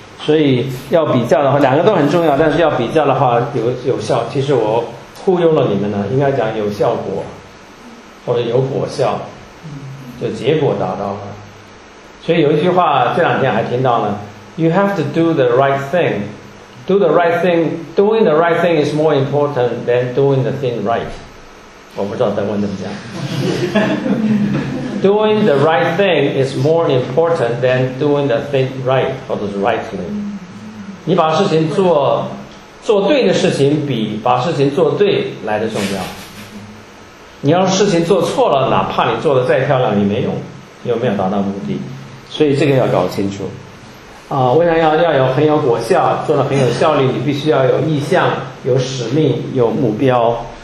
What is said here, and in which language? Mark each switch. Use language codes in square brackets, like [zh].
[zh] 所以要比较的话，两个都很重要，但是要比较的话，有效。其实我忽悠了你们呢，应该讲有效果，或者有果效，就结果达到了。所以有一句话，这两天还听到呢 ： [en] You have to do the right thing. [zh] Do the right thing. [en] Doing the right thing is more important than doing the thing right. [zh] 我不知道德文怎么讲。 [en] Doing the right thing is more important than doing the thing right, [zh] 或者是 [en] rightly. [zh] 你把事情做对的事情比把事情做对来得重要。你要是事情做错了，哪怕你做得再漂亮也没用，又没有达到目的。所以这个要搞清楚。为了要有很有果效，做得很有效率，你必须要有意向、有使命、有目标。